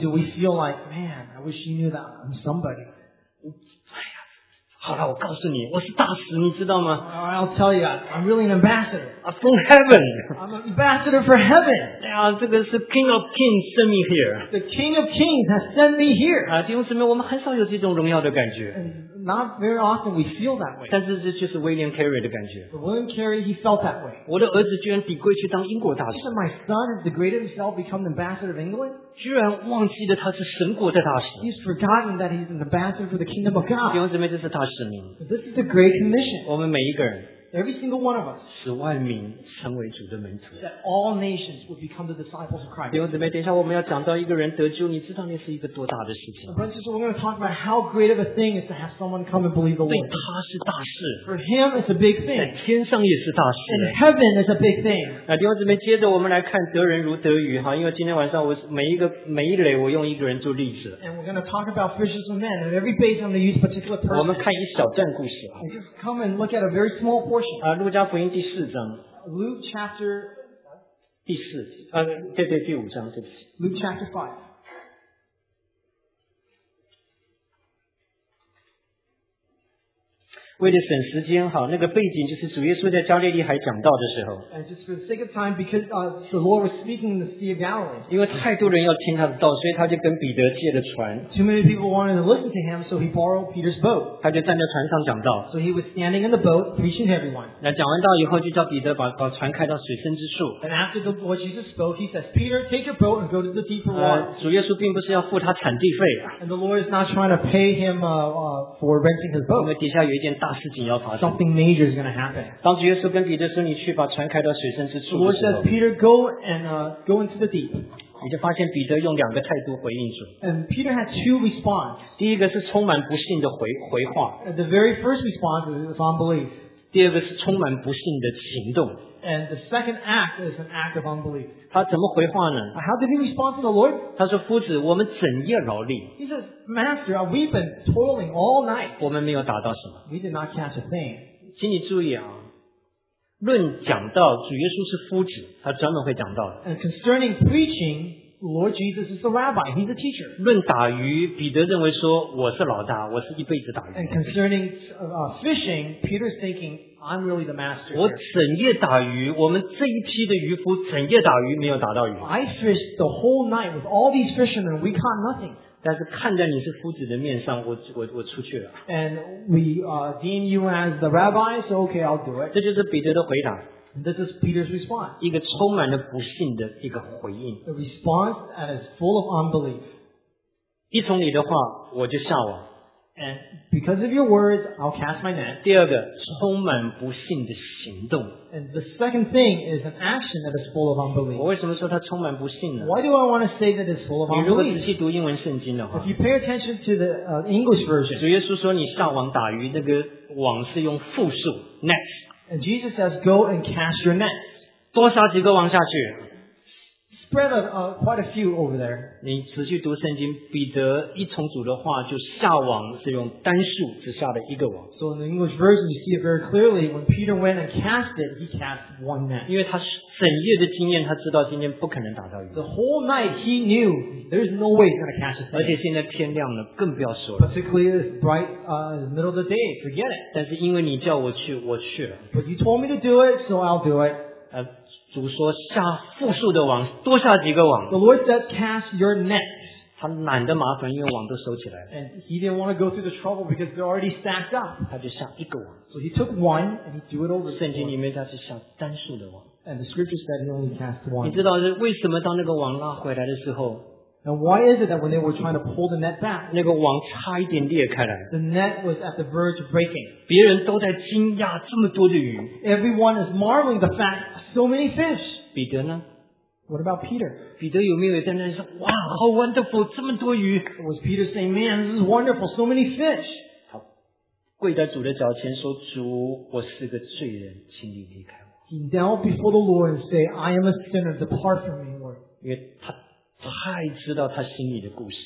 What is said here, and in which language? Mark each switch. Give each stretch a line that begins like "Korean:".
English: do we feel like, man, I wish you knew that I'm somebody.
Chinese: 好了，我告诉你，我是大使，你知道吗
English: ？I'll tell you, I'm really an ambassador. I'm from heaven. I'm an ambassador for heaven.
Chinese: 这个是
English: King of Kings send me here. The King of Kings has sent me here.
Chinese: 弟兄姊妹，我们很少有这种荣耀的感觉。
English: Not very often we feel that way.
Chinese: 但是这就是 William Carey 的感觉。
English: William Carey, he felt that way.
Chinese: 我的儿子居然比贵去当英国大使。
English: Isn't my son degraded himself become ambassador of England?
Chinese: 居然忘记了他是神国的大使。
English: He's forgotten that he's an ambassador for the kingdom of God.
Chinese: 弟兄姊妹，这是大使命。
English: This is the great commission.
Chinese: 我们每一个人。
English: Every single one of us.
Chinese: 使万民成为主的门徒。
English: That all nations would become the disciples of Christ.
Chinese: 弟兄姊妹，等一下我们要讲到一个人得救，你知道那是一个多大的事情。
English: But sister, we're going to talk about how great of a thing is to have someone come and believe the Lord.
Chinese: 对，他是大事。
English: For him, it's a big thing.
Chinese: 在天上也是大事。
English: In heaven, it's a big thing.
Chinese: 弟兄姊妹，接着我们来看得人如得鱼哈，因为今天晚上我每一垒我用一个人做例子。
English: And we're going to talk about fishes and men, and every base I'm going to use a particular person.
Chinese: 我们看一小段故事。
English: And just come and look at a very small portion.
Chinese: 路加福音第四章
English: Luke chapter
Chinese: 第四对对第五章对不起
English: Luke chapter 5
Chinese: 为了省时间好那个背景就是主耶稣在加利利海讲道的时候
English: time, because,、the Lord was speaking in the Sea of Galilee.
Chinese: 因为太多人要听他的道所以他就跟彼得借了船
English: Too many people wanted to listen to him, so he borrowed Peter's boat.
Chinese: 他就站在船上讲道
English: So he was standing in the boat, preaching to everyone.
Chinese: 那讲完道以后就叫彼得 把船开到水深之处
English: And after the Lord Jesus spoke, he says, Peter, take your boat and go to the deeper water.
Chinese: 主耶稣并不是要付他产地费
English: And the Lord is not trying to pay him for renting his boat.
Chinese: 因为底下有一件大事情要发生
English: Something major is going to happen.
Chinese: 当主耶稣跟彼得说你去把船开到水深之处
English: The Lord says, Peter, go into the deep.
Chinese: 你就发现彼得用两个态度回应主
English: And Peter had two responses.
Chinese: 第一个是充满不信的回话
English: The very first response is unbelief.
Chinese: 第二个是充满不信的行动
English: And the second act is an act of unbelief.
Chinese: 他怎么回话呢
English: How did he respond to the Lord?
Chinese: 他说夫子我们整夜劳力
English: He says,Master, we've been toiling all night.
Chinese: 我们没有达到什么。
English: We did not catch a thing.
Chinese: 请你注意啊，论讲道，主耶稣是夫子，他专门会讲道的。
English: And concerning preaching, Lord Jesus is the rabbi. He's a teacher.
Chinese: 论打鱼，彼得认为说我是老大，我是一辈子打鱼。
English: And concerning fishing, Peter's thinking. I'm really the master.
Chinese: 我整夜打鱼，我们这一批的渔夫整夜打鱼，没有打到鱼。
English: I fished the whole night with all these fishermen. We caught nothing.
Chinese: 但是看在你是夫子的面上，我出去了。
English: And we deem you as the rabbi, so okay, I'll do it.
Chinese: 这就是彼得的回答。
English: This is Peter's response.
Chinese: 一个充满了不信的一个回应。
English: A response that is full of unbelief.
Chinese: 一从你的话，我就下网。
English: And because of your words, I'll cast my net.
Chinese: 第二个，充满不信的行动。
English: And the second thing is an action that is full of unbelief.
Chinese: 我为什么说它充满不信呢
English: ？Why do I want to say that it's full of unbelief?
Chinese: 你如果仔细读英文圣经的话
English: ，If you pay attention to the English version,
Chinese: 主耶稣说你下网打鱼，那个网是用复数 net.
English: And Jesus says, "Go and cast your net."
Chinese: 多撒几个网下去。
English: Spread quite a few over there.
Chinese: 你仔细读圣经，彼得一从主的话就下网，是用单数只下了一个网。
English: So in the English version, you see it very clearly. When Peter went and cast it, he cast one net.
Chinese: 因为他整夜的经验，他知道今天不可能打到鱼。
English: The whole night he knew there's no way he's gonna cast a net.
Chinese: 而且现在天亮了，更不要说了。
English: Particularly it's bright middle of the day, forget it.
Chinese: 但是因为你叫我去，我去了。
English: But you told me to do it, so I'll do it.
Chinese: 主说下复数的网，多下几个网。
English: The Lord said, "Cast your net."
Chinese: 他懒得麻烦，因为网都收起来了。
English: And he didn't want to go through the trouble because they're already stacked up.
Chinese: 他就下一个网。
English: So he took one and he threw it over.
Chinese: 圣经里面他是下单数的网。
English: And the scripture said he only cast one.
Chinese: 你知道为什么当那个网拉回来的时候？
English: Now why is it that when they were trying to pull the net back,
Chinese: 那个网差一点裂开来。
English: The net was at the verge of breaking.
Chinese: 别人都在惊讶这么多的鱼。
English: Everyone is marveling the fact so many fish.
Chinese: 彼得呢？
English: What about Peter?
Chinese: 彼得有没有在那里说
English: Wow, how wonderful,
Chinese: 这么多鱼
English: Was Peter saying, man, this is wonderful, so many fish.
Chinese: 他跪在主的脚前说主我是个罪人请你离开我
English: He knelt before the Lord and said, I am a sinner, depart from me, Lord.
Chinese: 因为他太知道他心里的故事